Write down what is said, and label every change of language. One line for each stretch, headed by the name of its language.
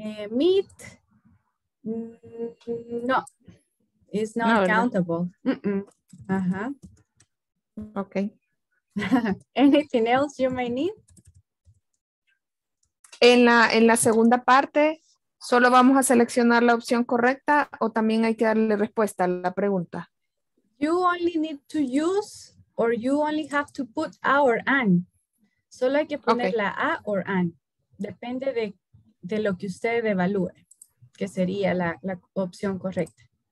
English: Meat. No. It's not countable. Mm-mm. Uh-huh. Okay. Anything else you may need?
Spanish: En la segunda parte, solo vamos a seleccionar la opción correcta o también hay que darle respuesta a la pregunta.
English: You only need to use or you only have to put a or an.
Spanish: Solo hay que poner la a or an. Depende de lo que usted evalúe, que sería la opción correcta.